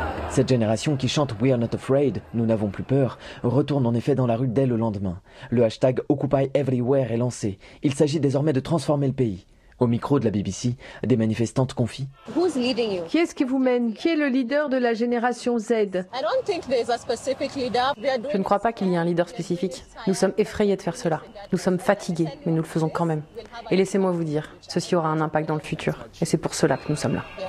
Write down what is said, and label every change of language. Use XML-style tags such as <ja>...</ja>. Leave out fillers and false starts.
<fr>Cette génération qui chante «</fr> <en>We are not afraid</en> <fr>», « Nous n'avons plus peur », retourne en effet dans la rue dès le lendemain. Le hashtag « Occupy Everywhere » est lancé. Il s'agit désormais de transformer le pays. Au micro de la BBC, des manifestantes confient.</fr> <en>Who's leading you?</en> <fr>Qui est-ce qui vous mène? Qui est le leader de la génération Z?</fr> <en>I don't think there's a specific leader. We are doing...</en> <fr>Je ne crois pas qu'il y ait un leader spécifique. Nous sommes effrayés de faire cela. Nous sommes fatigués, mais nous le faisons quand même. Et laissez-moi vous dire, ceci aura un impact dans le futur. Et c'est pour cela que nous sommes là.</fr>